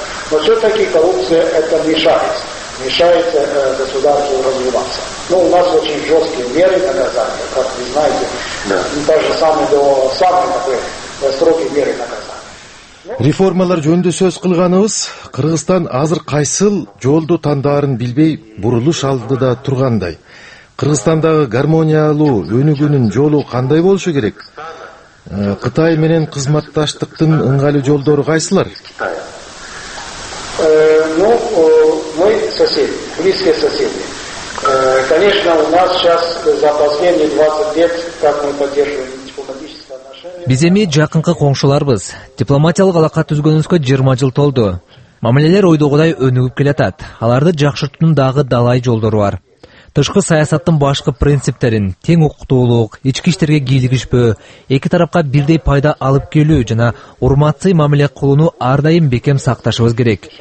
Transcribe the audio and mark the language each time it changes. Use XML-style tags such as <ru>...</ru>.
<ru>Но все-таки коррупция это мешает государству развиваться. Но у нас очень жесткие меры наказания, как вы знаете. Даже самые такие строгие меры наказания.</ru> <ky>Реформалар жөнүндө сөз кылганыбыз, Кыргызстан азыр кайсыл жолду тандаарын билбей бурулуш алдыда тургандай. Кыргызстандагы гармониялуу өнүгүүнүн жолу кандай болушу керек? Кытай менен кызматташтыктын ыңгайлуу жолдору кайсылар?</ky> <ru>Ну, мы соседи, близкие соседи. Конечно, у нас сейчас за последние 20 лет, как мы поддерживаем,</ru> <ky>биз эми жакынкы коңшуларбыз. Дипломатиялык алака түзгөнүбүзгө 20 жыл толду. Мамилелер ойдогудай өнүгүп келатат. Аларды жакшыртуунун дагы далай жолдору бар. Тышкы саясаттын башкы принциптерин, тең укуктуулук, ички иштерге кийлигишпөө, эки тарапка бирдей пайда алып келүү жана урматсыз мамиле кылууну ар дайым бекем сакташыбыз керек.</ky>